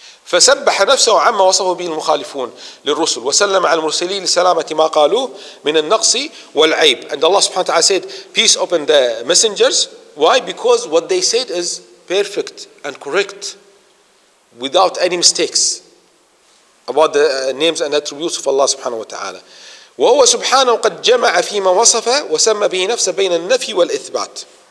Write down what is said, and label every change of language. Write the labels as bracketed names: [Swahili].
[Arabic] فسبح نفسه عما وصفه به المخالفون للرسل وسلم على المرسلين لسلامة ما قالوه من النقص والعيب. [English] And Allah subhanahu wa ta'ala said, peace upon the messengers. Why? Because what they said is perfect and correct without any mistakes about the names and attributes of Allah subhanahu wa ta'ala. [Arabic] وهو سبحانه قد جمع فيما وصفه وسمى به نفسه بين النفي والإثبات.